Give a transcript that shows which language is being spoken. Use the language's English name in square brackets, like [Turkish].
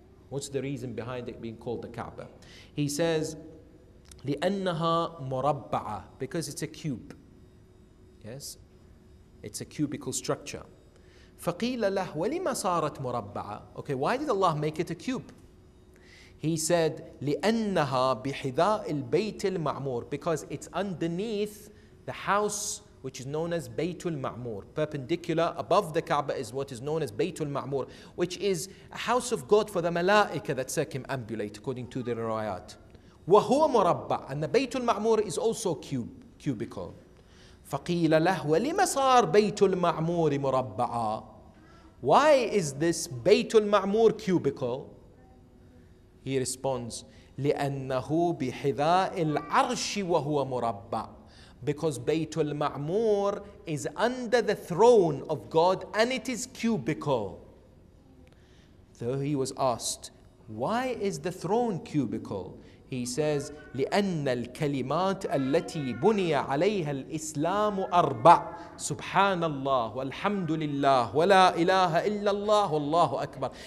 [English] What's the reason behind it being called the Kaaba? He says, [Arabic] لِأَنَّهَا مُرَبَّعَ, [English] because it's a cube. Yes, It's a cubical structure. [Arabic] فَقِيلَ لَهُ وَلِمَ صَارَتْ مُرَبَّعًا. [English] Okay, why did Allah make it a cube? He said, [Arabic] لِأَنَّهَا بِحِذَاءِ الْبَيْتِ الْمَعْمُورِ. [English] Because it's underneath the house which is known as Baytul Ma'mur. Perpendicular above the Kaaba is what is known as Baytul Ma'mur, which is a house of God for the Malaika that circumambulate, according to the riwayat. [Arabic] وَهُوَ مُرَبَّعًا. [English] And the Baytul Ma'mur is also cubical. [Arabic] فَقِيلَ لَهُ وَلِمَ صَارْ بَيْتُ الْمَعْمُورِ مُرَبَّعًا. [English] Why is this بَيْتُ الْمَعْمُورِ cubical? He responds, [Arabic] لِأَنَّهُ بِحِذَاءِ الْعَرْشِ وَهُوَ مُرَبَّعًا. [English] Because بَيْتُ الْمَعْمُورِ is under the throne of God and it is cubical. So he was asked, why is the throne cubical? He says, [Arabic] لِأَنَّ الْكَلِمَاتِ الَّتِي بُنِيَ عَلَيْهَا الْإِسْلَامُ أَرْبَعُ سُبْحَانَ اللَّهُ وَالْحَمْدُ لِلَّهِ وَلَا إِلَهَ إِلَّا اللَّهُ وَاللَّهُ أَكْبَرُ.